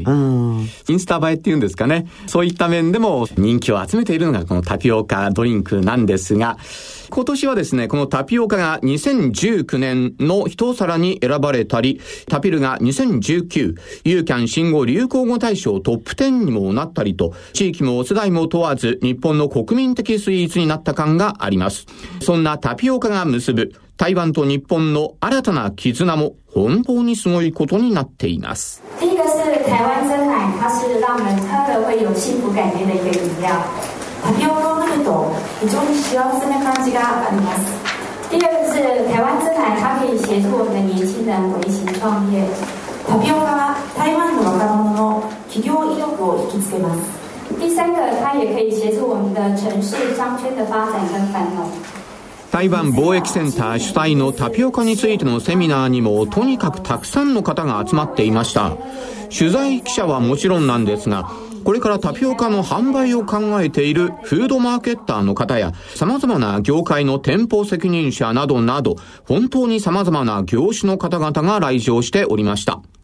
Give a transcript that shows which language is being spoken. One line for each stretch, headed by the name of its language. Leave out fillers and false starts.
Japanese: インスタ映えっていうんですかね、そういった面でも人気を集めているのが、このタピオカドリンクなんですが、今年はですね、このタピオカが2019年の一皿に選ばれたり、タピルが2019ユーキャン新語・流行語大賞トップ10にもなったりと、地域も世代も問わず日本の国民的スイーツになった感があります。そんなタピオカが結ぶ台湾と日本の新たな絆も本当にすごいことになっています。
Chinese: 第一个是台湾真奶，它是让人喝了会有幸福感念的一个饮料。
Japanese: タピオカを飲むと非常に幸せな感じがあります。
Chinese: 第二个是台湾真奶，它可以协助我们的年轻人微型创业。
Japanese: タピオカは台湾の若者の企業意欲を引きつけます。
Chinese: 第三个，它也可以协助我们的城市商圈的发展跟繁荣。
Japanese: 台湾貿易センター主催のタピオカについてのセミナーにもとにかくたくさんの方が集まっていました。取材記者はもちろんなんですが、これからタピオカの販売を考えているフードマーケッターの方や、さまざまな業界の店舗責任者などなど、本当にさまざまな業種の方々が来場しておりました。